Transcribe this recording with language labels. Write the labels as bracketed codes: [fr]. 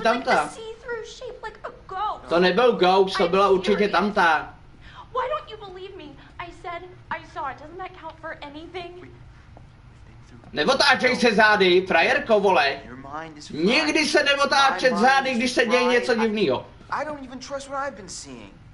[en] tamta. It was like a see-through shape, like a ghost. [cs] To nebyl ghost, to byla určitě tamta. [en] Why don't you believe me? I said I saw it. Doesn't that count for anything? [cs] Nevotáčej se zády, frajerko, vole. Nikdy se nevotáčet zády, když se děje něco divného. [en] I don't even trust what I've been seeing.